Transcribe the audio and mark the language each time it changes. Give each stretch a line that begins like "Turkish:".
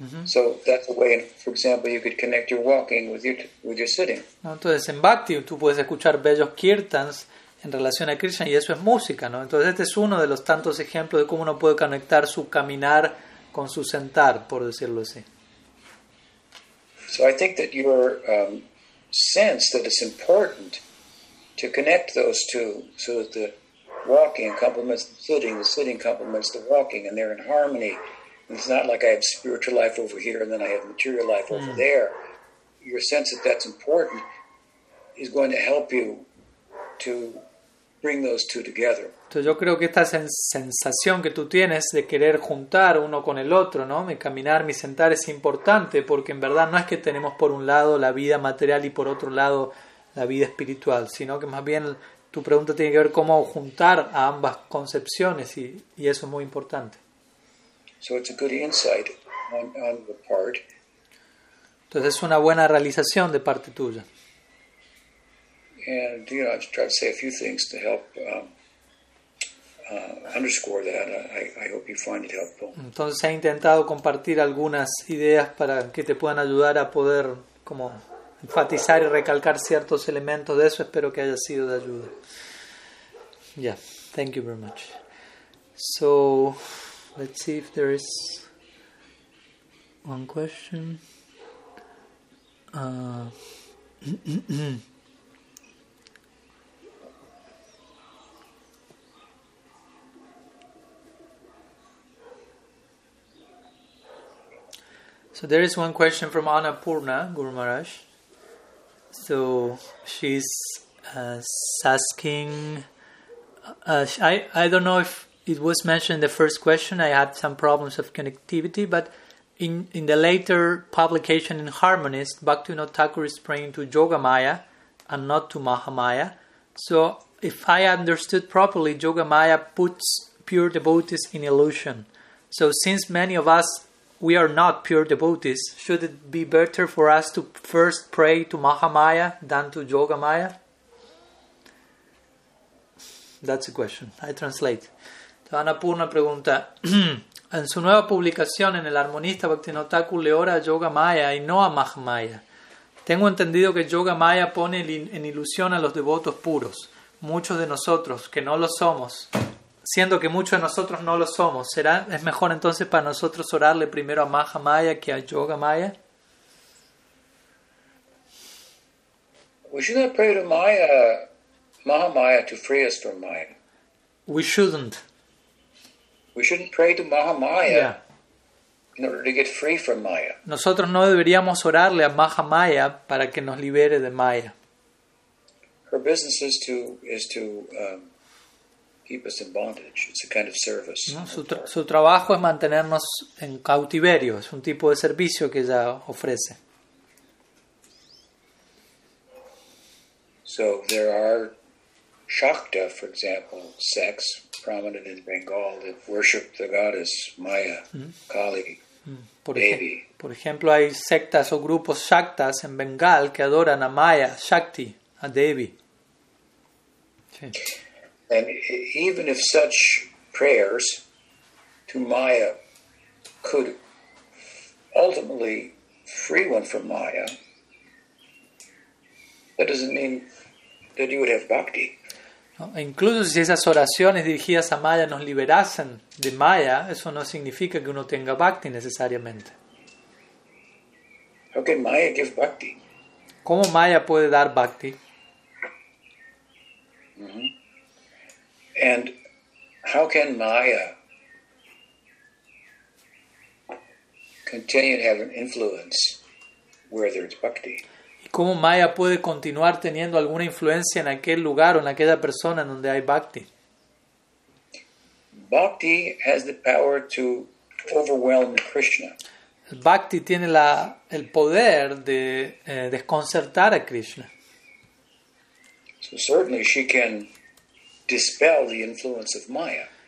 English: So that's a way, for example, you could connect your walking with your sitting.
Spanish: No, entonces en Bhakti tú puedes escuchar bellos kirtans en relación a Krishna, y eso es música, ¿no? Entonces este es uno de los tantos ejemplos de cómo uno puede conectar su caminar con su sentar, por decirlo así.
English: So I think that your sense that it's important to connect those two, so that the walking complements the sitting complements the walking, and they're in harmony. And it's not like I have spiritual life over here and then I have material life over there. Your sense that that's important is going to help you to bring those two together.
Spanish: Entonces yo creo que esta sensación que tú tienes de querer juntar uno con el otro, ¿no? Mi caminar, mi sentar es importante porque en verdad no es que tenemos por un lado la vida material y por otro lado la vida espiritual, sino que más bien tu pregunta tiene que ver cómo juntar a ambas concepciones y eso es muy importante.
English: So it's a good insight on the part.
Spanish: Entonces es una buena realización de parte tuya.
English: And you know, I try to say a few things to help underscore that. I hope you find it helpful.
Spanish: Entonces he intentado compartir algunas ideas para que te puedan ayudar a poder como enfatizar y recalcar ciertos elementos de eso. Espero que haya sido de ayuda. Yeah, thank you very much.
English: So let's see if there is one question. So there is one question from Annapurna Guru Maharaj. So she's asking, I don't know if it was mentioned in the first question, I had some problems of connectivity, but in the later publication in Harmonist, Bhaktivinoda Thakur is praying to Yogamaya and not to Mahamaya. So if I understood properly, Yoga Maya puts pure devotees in illusion. So since many of us, we are not pure devotees, should it be better for us to first pray to Mahamaya than to Yoga Maya? That's a question. I translate.
Spanish: Ana Purna pregunta, en su nueva publicación en el armonista Bhaktivinoda Thakur le ora a Yoga Maya y no a Mahamaya. Tengo entendido que Yoga Maya pone en ilusión a los devotos puros. Muchos de nosotros que no lo somos, siendo que muchos de nosotros no lo somos, ¿será es mejor entonces para nosotros orarle primero a Mahamaya que a Yoga Maya?
English: We should not pray to Mahamaya to free us from Maya. We shouldn't pray to Mahamaya. Yeah. In order to get free from Maya.
Spanish: Nosotros no deberíamos orarle a Mahamaya para que nos libere de Maya.
English: Her business is to keep us in bondage. It's a kind of service.
Spanish: No, su trabajo es mantenernos en cautiverio. Es un tipo de servicio que ella ofrece.
English: So there are Shakta, for example, sects prominent in Bengal that worship the goddess Maya, Kali.
Spanish: Por ejemplo, hay sectas o grupos shaktas en Bengal que adoran a Maya, Shakti, a Devi. Sí.
English: And even if such prayers to Maya could ultimately free one from Maya, that doesn't mean that you would have bhakti.
Spanish: No, incluso si esas oraciones dirigidas a Maya nos liberasen de Maya, eso no significa que uno tenga bhakti necesariamente.
English: How can Maya give bhakti?
Spanish: ¿Cómo Maya puede dar bhakti?
English: And how can Maya continue to have an influence where there's bhakti?
Spanish: ¿Y cómo Maya puede continuar teniendo alguna influencia en aquel lugar o en aquella persona en donde hay bhakti?
English: Bhakti has the power to overwhelm Krishna.
Spanish: El bhakti tiene el poder de desconcertar a Krishna.
English: So certainly she can dispel the influence of Maya.